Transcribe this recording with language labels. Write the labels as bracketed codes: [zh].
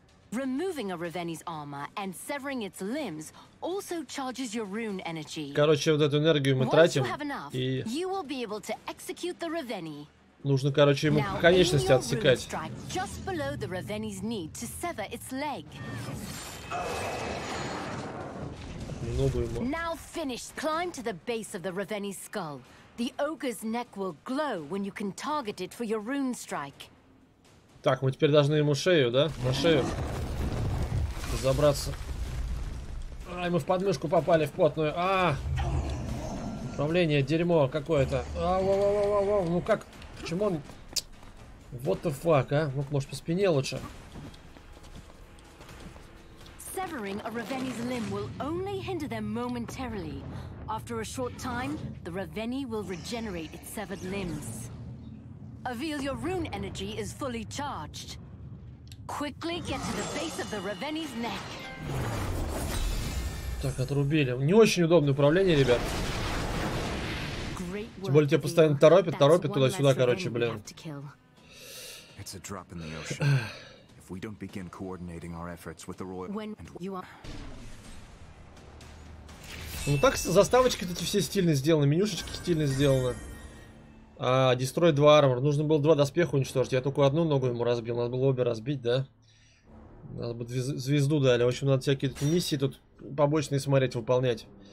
[en] Removing a Raveni's armor and severing its limbs also charges your rune energy. [ru] Короче, вот эту энергию мы тратим, и [en] you will be able to execute the Raveni. [ru] Нужно, короче, ему [en] now, [ru] конечности отсекать. [en] Strike, just below the Raveni's knee to sever its leg. [ru] Много ему. [en] Now finish. Climb to the base of the Raveni's skull. The ogre's neck will glow when you can target it for your rune strike. [ru] Так, мы теперь должны ему шею, да? На шею. Забраться. Ай, мы в подмышку попали, в потную. А! Управление, дерьмо какое-то. А, воу-воу-воу-воу-воу. Ну как? Почему он... [en] What the fuck, [ru] а? Ну, может, по спине лучше. [en] Severing a Raveni's limb will only hinder them momentarily. After a short time, the Raveni will regenerate its severed limbs. Avil, your rune energy is fully charged. Quickly get to the base of the Raveni's neck. [ru] Так, отрубили. Не очень удобное управление, ребят. Тем более тебя постоянно торопят, торопят туда-сюда, короче, блин. [en] It's a drop in the ocean. If we don't begin coordinating our efforts with the royal... [ru] Ну так заставочки-то все стильно сделаны, менюшечки стильно сделаны. А, [en] дестрой 2 армор. [ru] Нужно было 2 доспеха уничтожить. Я только одну ногу ему разбил. Надо было обе разбить, да? Надо бы звезду дали. В общем, надо всякие тут миссии тут побочные смотреть, выполнять.